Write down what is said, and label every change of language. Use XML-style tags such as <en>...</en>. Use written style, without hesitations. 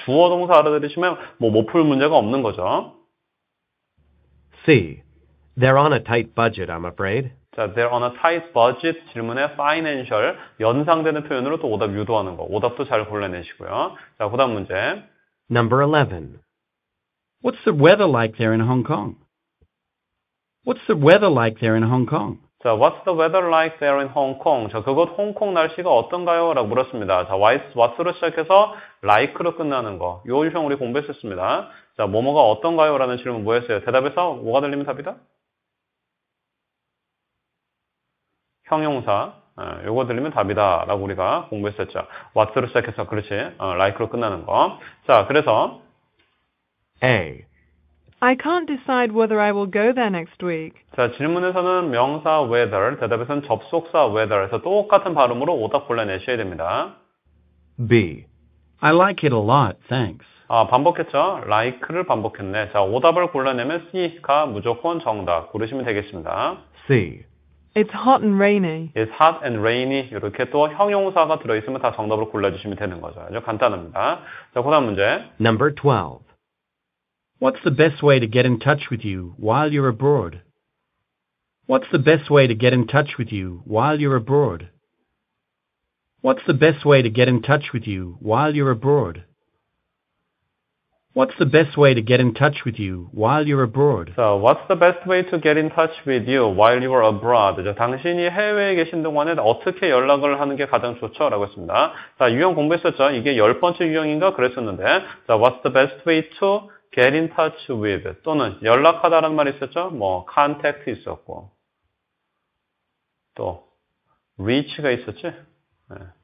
<ko>주어 동사 알아들으시면 뭐 못 풀 문제가 없는 거죠.</ko> <en>C. They're on a tight budget, I'm afraid.</en> <ko>자,</ko> <en>they're on a tight budget</en> <ko>질문에 financial 연상되는 표현으로 또 오답 유도하는 거. 오답도 잘 골라내시고요. 자, 그다음 문제.</ko> <en>Number 11. What's the weather like there in Hong Kong? What's the weather like there in Hong Kong? 자, what's the weather like there in Hong Kong?</en> <ko>자, 그곳 홍콩 날씨가 어떤가요? 라고 물었습니다. 자, what's로 시작해서 like로 끝나는 거. 요 유형 우리 공부했었습니다. 자, 뭐뭐가 어떤가요? 라는 질문 뭐였어요? 대답에서 뭐가 들리면 답이다? 형용사. 요거 들리면 답이다. 라고 우리가 공부했었죠. what's로 시작해서, 그렇지. like로 끝나는 거. 자, 그래서.</ko> <en>A. I can't decide whether I will go there next week.</en> <ko>자, 질문에서는 명사 whether, 대답에서는 접속사 whether에서 똑같은 발음으로 오답 골라내셔야 됩니다.</ko> <en>B. I like it a lot, thanks.</en> <ko>아, 반복했죠? like를 반복했네. 자, 오답을 골라내면 C가 무조건 정답. 고르시면 되겠습니다.</ko> <en>C. It's hot and rainy. It's hot and rainy.</en> <ko>이렇게 또 형용사가 들어있으면 다 정답으로 골라주시면 되는 거죠. 아주 간단합니다. 자, 그 다음 문제.</ko> <en>Number 12. What's the best way to get in touch with you while you're abroad? What's the best way to get in touch with you while you're abroad? What's the best way to get in touch with you while you're abroad? What's the best way to get in touch with you while you're abroad? So, what's the best way to get in touch with you while you're abroad?</en> <ko>자, 당신이 해외에 계신 동안에 어떻게 연락을 하는 게 가장 좋죠? 라고 했습니다. 자, 유형 공부했었죠? 이게 열 번째 유형인가? 그랬었는데.</ko> <en>자, what's the best way to get in touch with</en> <ko>또는 연락하다라는 말이 있었죠? 뭐 contact 있었고 또 reach가 있었지? 네.</ko>